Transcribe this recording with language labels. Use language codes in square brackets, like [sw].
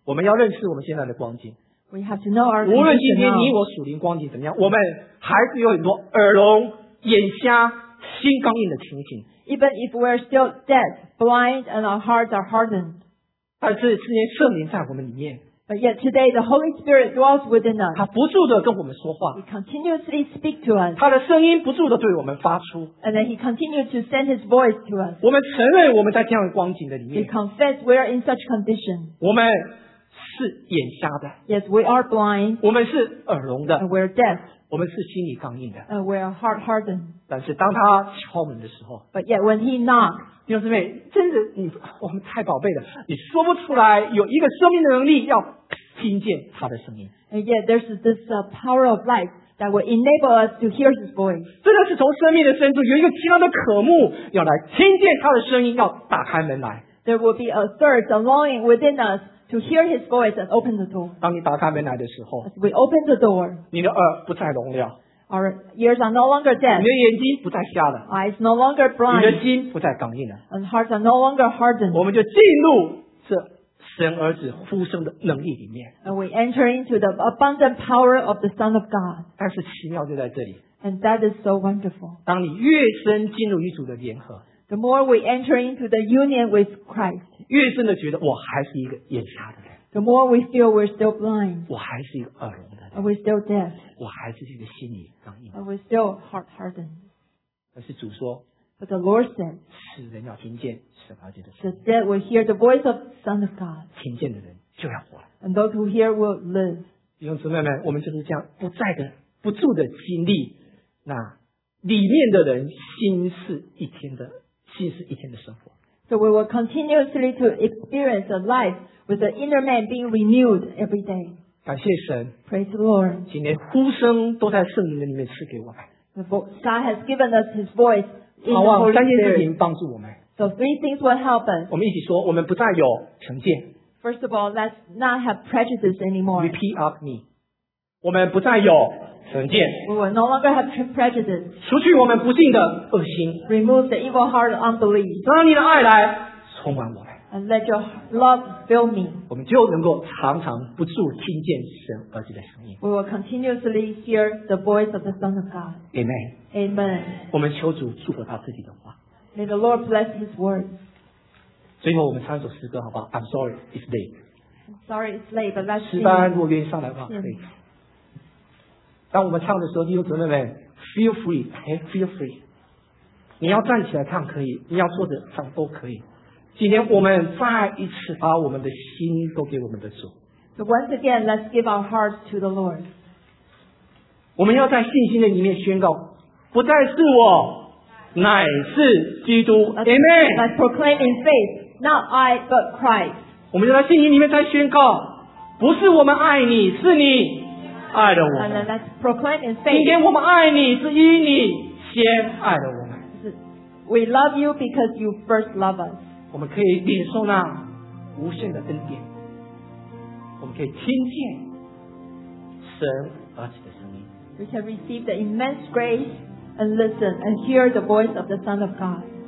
[zh] 我们要认识我们现在的光景。 [en] We have to know our condition. [zh] 无论今天你我属灵光景怎么样，我们还是有很多耳聋、眼瞎、心刚硬的情形。 [en] Even if we're still dead, blind, and our hearts are hardened. [zh] 但是今天圣灵在我们里面。 [en] But yet today the Holy Spirit dwells within us. [zh] 他不住地跟我们说话。 [en] He continuously speaks to us. [zh] 他的声音不住地对我们发出。 [en] And then he continues to send his voice to us. [zh] 我们承认我们在这样的光景的里面。 [en] We confess we are in such condition. [zh] 我们是眼瞎的。 [en] Yes, we are blind. [zh] 我们是耳聋的。 [en] And we are deaf. [zh] 我们是心里刚硬的。 [en] And we are hard hardened. [zh] 但是当他敲门的时候。 [en] But yet when he knocks. [zh] 弟兄姊妹，真的，你我们太宝贝了，你说不出来有一个生命的能力要听见他的声音。 [en] And yet there's this power of life that will enable us to hear his voice. [zh] 真的是从生命的深处有一个极大的渴慕，要来听见他的声音，要打开门来。 [en] There will be a thirst, a longing within us to hear his voice and open the door. [zh] 当你打开门来的时候 [en] ，As we open the door, [zh] 你的耳不再聋了。 [en] Our ears are no longer deaf. [zh] 你的眼睛不再瞎了。 [en] Eyes no longer blind. [zh] 你的心不再刚硬了。 [en] And hearts are no longer hardened. [zh] 我们就进入这神儿子呼声的能力里面。 [en] And we enter into the abundant power of the Son of God. [zh] 但是奇妙就在这里。 [en] And that is so wonderful. [zh] 当你越深进入与主的联合。 [en] The more we enter into the union with Christ. [zh] 越深的觉得我还是一个眼瞎的人。 [en] The more we feel we're still blind. [zh] 我还是一个耳聋的。 [en] Are we still deaf? [zh] 我还是这个心里刚硬。 [en] Are we still hard-hardened? [zh] 但是主说 [en] But the Lord said, [zh] 死人要听见神儿子的声音。 [en] The dead will hear the voice of the Son of God. [zh] 听见的人就要活了。 [en] And those who hear will live. [zh] 弟兄姊妹们，我们就是这样不在的、不住的经历，那里面的人心是一天的、心是一天的生活。 [en] So we will continuously to experience a life with the inner man being renewed every day. [zh] 感谢神 [en] Praise the Lord. [zh] 今天呼声都在圣灵的里面赐给我们 [en] God has given us his voice in the Holy Spirit. [zh] 好啊，三件事情帮助我们 [en] So three things will help us. [zh] 我们一起说我们不再有成见 [en] First of all, let's not have prejudice anymore. Repeat after me. [zh] 我们不再有成见 [en] We will no longer have prejudice. [zh] 除去我们不敬的恶心 [en] Remove the evil heart of unbelief. [zh] 让你的爱来充满我们 [en] And let your love fill me. [zh] 我们就能够常常不住听见神儿子的声音。 [en] We will continuously hear the voice of the Son of God. Amen. Amen. [zh] 我们求主祝福他自己的话。 [en] May the Lord bless his words. [zh] 最后我们唱一首诗歌好不好 ？ [en] I'm sorry, it's late. I'm sorry, it's late, but let's. [zh] 诗班如果愿意上来的话，可以。当我们唱的时候，弟兄姊妹们 ， [en] feel free, okay, feel free. [zh] 你要站起来唱可以，你要坐着唱都可以。今天我们再一次把我们的心都给我们的主。 [en] So once again, let's give our hearts to the Lord. [zh] 我们要在信心的里面宣告，不再是我，乃是基督。 [en] Amen. Let's proclaim in faith, not I, but Christ. [zh] 我们要在信心里面再宣告，不是我们爱你，是你爱了我们。 [en] And let's proclaim in faith. [zh] 今天我们爱你，是因你先爱了我们。 [en] We love you because you first love us. [zh] 我们可以领受那无限的恩典，我们可以听见神儿子的声音。 [en] We can receive the immense grace and listen and hear the voice of the Son of God.